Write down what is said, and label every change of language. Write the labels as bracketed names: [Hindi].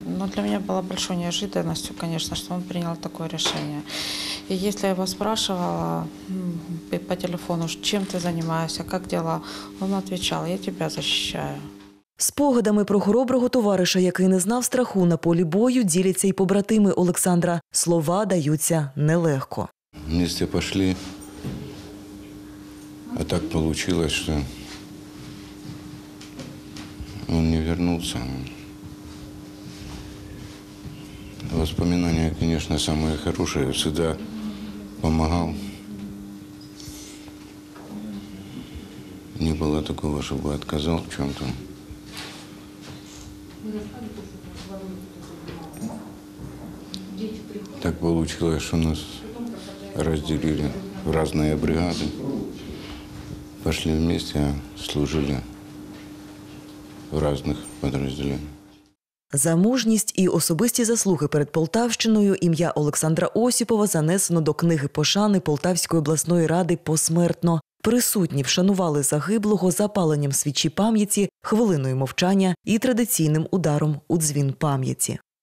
[Ukrainian] Ну, для мене була большою неожиданістю, звісно, що він прийняв таке рішення. І якщо я його спрашувала по телефону, чим ти займаєшся, як справи, він відповідав: я тебе захищаю. Спогадами про хороброго товариша, який не знав страху на полі бою, діляться й побратими Олександра. Слова даються нелегко. [Russian] Вместе пошли, а так получилось, что он не вернулся. Воспоминания, конечно, самые хорошие. Всегда помогал. Не было такого, чтобы отказал в чем-то. Так получилось, что у нас разделили в разные бригады, пошли вместе, служили в разных подразделениях. [Ukrainian] За мужність і особисті заслуги перед Полтавщиною ім'я Олександра Осіпова занесено до книги пошани Полтавської обласної ради посмертно. Присутні вшанували загиблого запаленням свічі пам'яті, хвилиною мовчання і традиційним ударом у дзвін пам'яті.